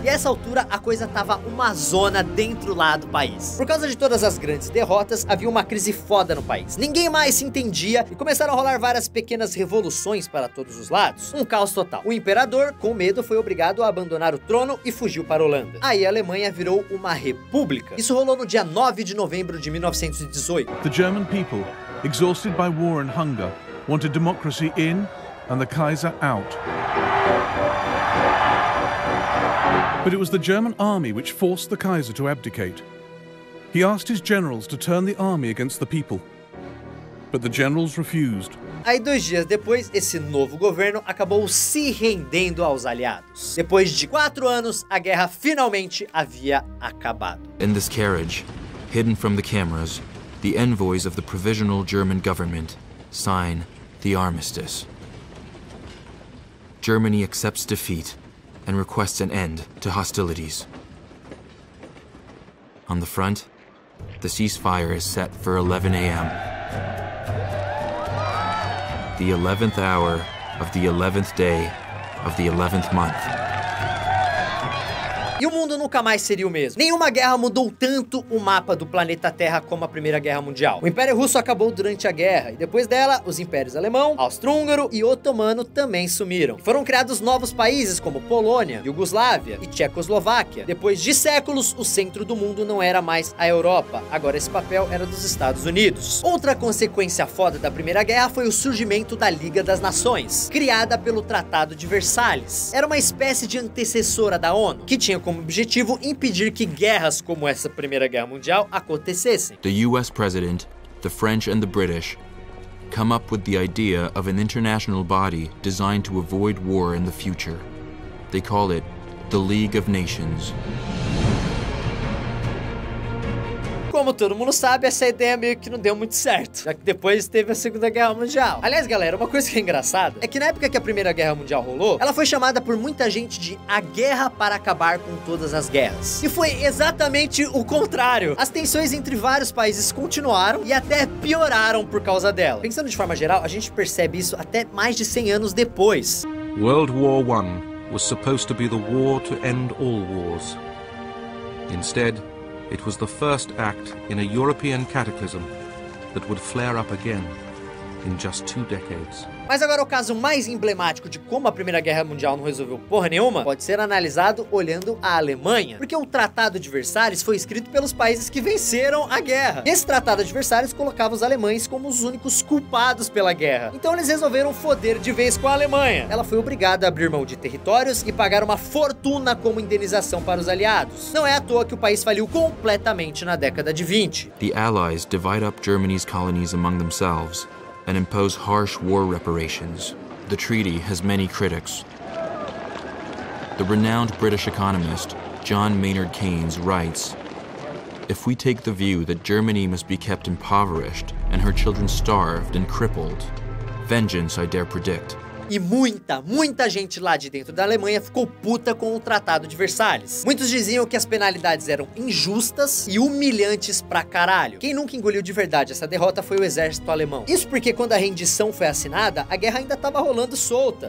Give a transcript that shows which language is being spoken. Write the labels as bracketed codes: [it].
[pt] E essa altura a coisa tava uma zona dentro lá do país. Por causa de todas as grandes derrotas, havia uma crise foda no país. Ninguém mais se entendia e começaram a rolar várias pequenas revoluções para todos os lados. Um caos total. O imperador, com medo, foi obrigado a abandonar o trono e fugiu para a Holanda. Aí a Alemanha virou uma república. Isso rolou no dia 9 de novembro de 1918. [en] The German people, exhausted by war and hunger, wanted democracy in and the Kaiser out. But it was the German army which forced the Kaiser to abdicate. He asked his generals to turn the army against the people, but the generals refused. [pt] Aí, 2 dias depois, esse novo governo acabou se rendendo aos aliados. Depois de 4 anos, a guerra finalmente havia acabado. [en] In this carriage, hidden from the cameras, the envoys of the provisional German government sign the armistice. Germany accepts defeat and requests an end to hostilities. On the front, the ceasefire is set for 11 a.m. The 11th hour of the 11th day of the 11th month. [pt] E o mundo nunca mais seria o mesmo. Nenhuma guerra mudou tanto o mapa do planeta Terra como a Primeira Guerra Mundial. O Império Russo acabou durante a guerra, e depois dela, os impérios alemão, austro-húngaro e otomano também sumiram. Foram criados novos países como Polônia, Iugoslávia e Tchecoslováquia. Depois de séculos, o centro do mundo não era mais a Europa. Agora esse papel era dos Estados Unidos. Outra consequência foda da Primeira Guerra foi o surgimento da Liga das Nações, criada pelo Tratado de Versalhes. Era uma espécie de antecessora da ONU, que tinha como objetivo impedir que guerras como essa Primeira Guerra Mundial acontecessem. [en] The US president, the French and the British come up with the idea of an international body designed to avoid war in the future. They call it the League of Nations. [pt] Como todo mundo sabe, essa ideia meio que não deu muito certo, já que depois teve a Segunda Guerra Mundial. Aliás, galera, uma coisa que é engraçada é que na época que a Primeira Guerra Mundial rolou, ela foi chamada por muita gente de a guerra para acabar com todas as guerras. E foi exatamente o contrário. As tensões entre vários países continuaram e até pioraram por causa dela. Pensando de forma geral, a gente percebe isso até mais de 100 anos depois. [en] World War I was supposed to be the war to end all wars. Instead, it was the first act in a European cataclysm that would flare up again in just 2 decades. [pt] Mas agora o caso mais emblemático de como a Primeira Guerra Mundial não resolveu porra nenhuma pode ser analisado olhando a Alemanha. Porque o Tratado de Versalhes foi escrito pelos países que venceram a guerra. E esse Tratado de Versalhes colocava os alemães como os únicos culpados pela guerra. Então eles resolveram foder de vez com a Alemanha. Ela foi obrigada a abrir mão de territórios e pagar uma fortuna como indenização para os aliados. Não é à toa que o país faliu completamente na década de 20. [en] The Allies divide up Germany's colonies among themselves and impose harsh war reparations. The treaty has many critics. The renowned British economist John Maynard Keynes writes, "If we take the view that Germany must be kept impoverished and her children starved and crippled, vengeance I dare predict." [pt] E muita, muita gente lá de dentro da Alemanha ficou puta com o Tratado de Versalhes. Muitos diziam que as penalidades eram injustas e humilhantes pra caralho. Quem nunca engoliu de verdade essa derrota foi o exército alemão. Isso porque quando a rendição foi assinada, a guerra ainda tava rolando solta.